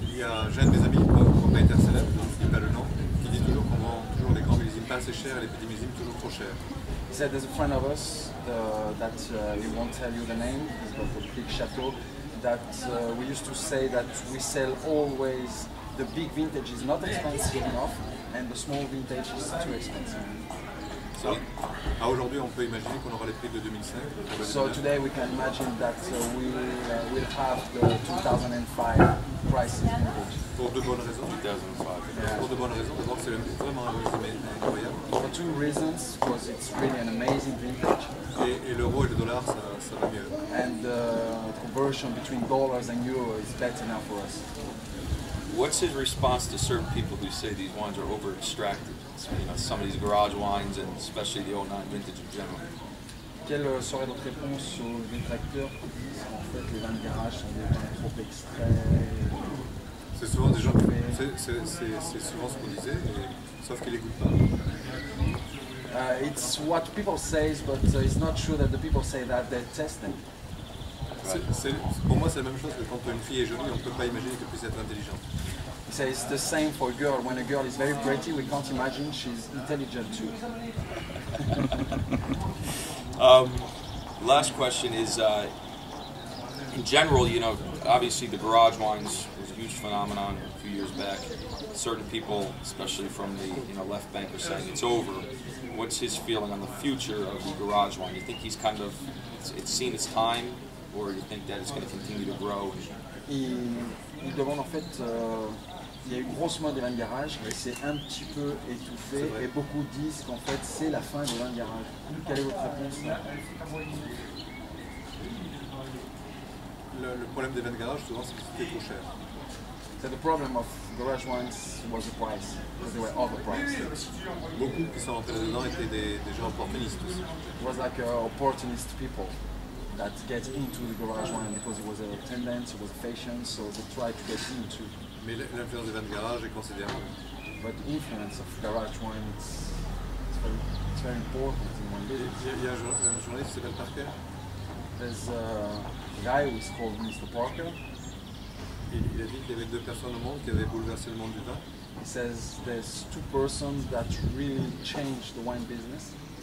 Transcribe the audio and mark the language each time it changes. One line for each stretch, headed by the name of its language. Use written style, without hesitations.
French: Il y a un de mes amis, propriétaire célèbre, je ne dis pas le nom, qui dit toujours qu'on vend toujours les grands millésimes pas assez chers et les petits millésimes toujours trop chers. Il dit qu'il y a un ami de nous,
English: that we won't tell you the name, he's got a big château, that we used to say that we sell always the big vintage is not expensive enough and the small vintage is too expensive.
French: So, aujourd'hui on peut imaginer qu'on aura les prix de 2005.
English: So today we can imagine that we'll have the 2005 prices.
French: Pour deux bonnes raisons. 2005. Pour deux bonnes raisons. D'abord, c'est vraiment un résumé incroyable.
English: For two reasons, because it's really an amazing vintage.
French: Et l'euro et le dollar, ça va mieux.
English: And the conversion between dollars and euro is better now for us. What's his response to certain people who say these wines are over-extracted? You know, some of these garage wines, and especially the 09 vintage in general.
French: Quelle serait votre réponse aux détracteurs qui disent en fait les vins de garage sont des vins trop extraits? C'est souvent des gens qui c'est souvent ce qu'on disait, sauf qu'ils n'écoutent pas.
English: It's what people say, but it's not true that the people say that they test them.
French: Pour moi, c'est la même chose que quand une fille est jolie, on ne peut pas imaginer qu'elle puisse être intelligente.
English: He says it's the same for a girl. When a girl is very pretty, we can't imagine she's intelligent too. last question is, in general, you know, obviously the garage wines was a huge phenomenon a few years back. Certain people, especially from the left bank, are saying it's over. What's his feeling on the future of the garage wine? You think he's kind of, it's seen its time, or you think that it's going to continue to grow?
French: Il demande en fait, il y a eu grossement des vins de garage, mais c'est un petit peu étouffé et beaucoup disent qu'en fait c'est la fin des vins de garage. Quelle est votre réponse? Le problème des vins de garage souvent c'est que c'était trop cher.
English: So the problem of garage wines was the price, because they were overpriced.
French: Beaucoup qui sont rentrés dedans étaient des gens opportunistes aussi.
English: It was like opportunist people that get into the garage wine because it was a tendance, it was a fashion, so they try to get into.
French: Mais l'influence des vins de garage est considérable.
English: But the influence of garage wine, it's very important in one business.
French: Il y a un journaliste qui s'appelle Parker.
English: There's a guy who is called Mr. Parker.
French: Il a dit qu'il y avait deux personnes au monde qui avaient bouleversé le monde du vin.
English: He says there's two persons that really changed the wine business.